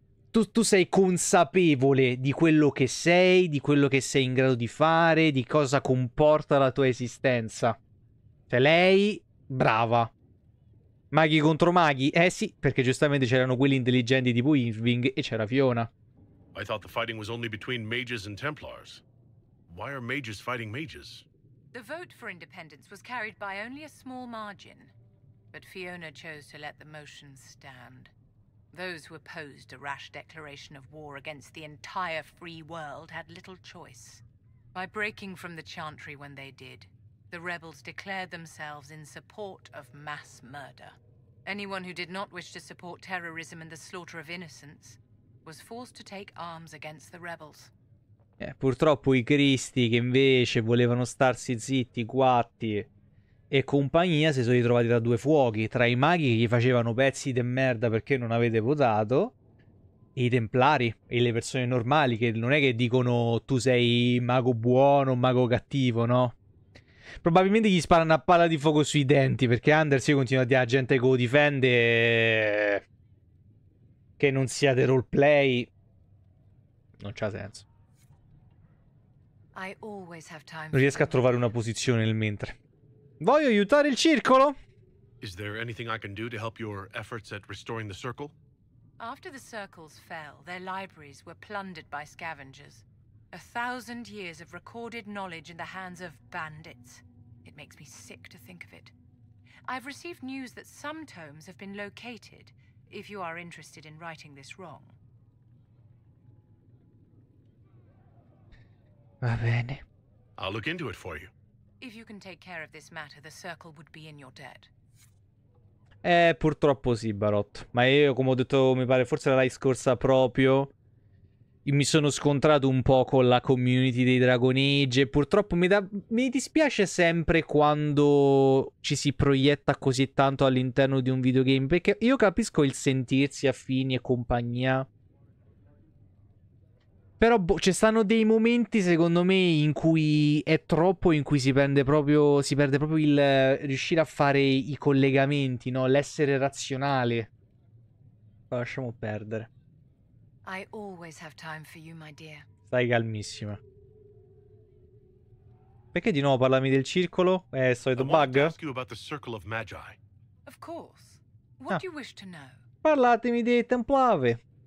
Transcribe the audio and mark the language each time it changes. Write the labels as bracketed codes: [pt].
[it] Tu sei consapevole di quello che sei, di quello che sei in grado di fare, di cosa comporta la tua esistenza. Cioè, lei, brava. Maghi contro maghi? Eh sì, perché giustamente c'erano quelli intelligenti tipo Irving e c'era Fiona. [en] I thought the fighting was only between mages and Templars. Why are mages fighting mages? The vote for independence was carried by only a small margin, but Fiona chose to let the motion stand. Those who opposed a rash declaration of war against the entire free world had little choice. By breaking from the Chantry when they did, the rebels declared themselves in support of mass murder. Anyone who did not wish to support terrorism and the slaughter of innocents was forced to take arms against the rebels. [it] Purtroppo i cristi, che invece volevano starsi zitti, quatti e compagnia, si sono ritrovati da due fuochi, tra i maghi che gli facevano pezzi di merda perché non avete votato, e i templari, e le persone normali, che non è che dicono tu sei mago buono o mago cattivo, no? Probabilmente gli spara una palla di fuoco sui denti, perché Anders io continua a dire a gente che lo difende... Che non sia del roleplay non c'ha senso. Non riesco a trovare una posizione nel mentre. Voglio aiutare il circolo. [en] Is there anything I can do to help your efforts at restoring the circle? After the circles fell, their libraries were plundered by scavengers. 1,000 years of recorded knowledge in the hands of bandits. It makes me sick to think of it. I've received news that some tomes have been located. If you are interested in writing this wrong. [it] Va bene. [en] I'll look into it for you. If you can take care of this matter, the circle would be in your debt. [it] Purtroppo sì, Barot. Ma io, come ho detto, mi pare forse la scorsa proprio, io mi sono scontrato un po' con la community dei Dragon Age. E purtroppo mi dispiace sempre quando ci si proietta così tanto all'interno di un videogame. Perché io capisco il sentirsi affini e compagnia. Però ci stanno dei momenti, secondo me, in cui è troppo, in cui si perde proprio il riuscire a fare i collegamenti, no? L'essere razionale. Lo lasciamo perdere. [en] I always have time for you, my dear. [it] Stai calmissima. Perché di nuovo parlami del circolo? È il solito bug? [en] I want to ask you about the Circle of Magi. Of course. What do you wish to know? [it] Parlatemi dei Templari.